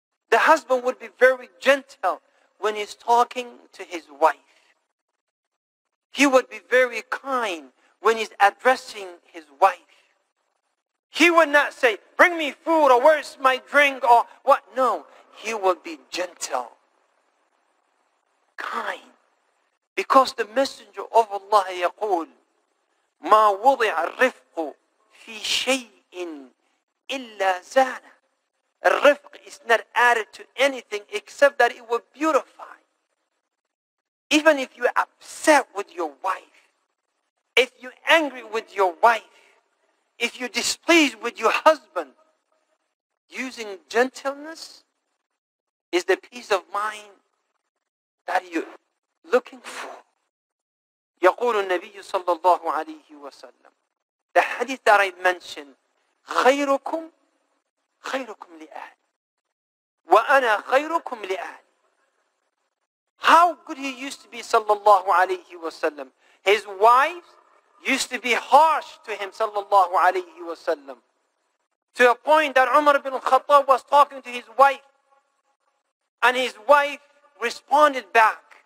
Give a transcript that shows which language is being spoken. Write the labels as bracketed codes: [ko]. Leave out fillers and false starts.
[en] The husband would be very gentle when he's talking to his wife. He would be very kind when he's addressing his wife. He would not say, bring me food, or where's my drink, or what? No, he will be gentle, kind. Because the Messenger of Allah yaqul, [ar] مَا وُضِعَ الرِّفْقُ فِي شَيْءٍ إِلَّا زَانَ. [en] Rifq is not added to anything except that it will beautify. Even if you're upset with your wife, if you're angry with your wife, if you're displeased with your husband, using gentleness is the peace of mind that you're looking for. [ar] يقول النبي صلى الله عليه وسلم. [en] The hadith that I mentioned, [ar] خيركم خيركم لأهلي وأنا خيركم لأهلي. [en] How good he used to be [ar] صلى الله عليه وسلم. [en] His wives used to be harsh to him, sallallahu alayhi wa sallam. To a point that Umar ibn al-Khattab was talking to his wife. And his wife responded back.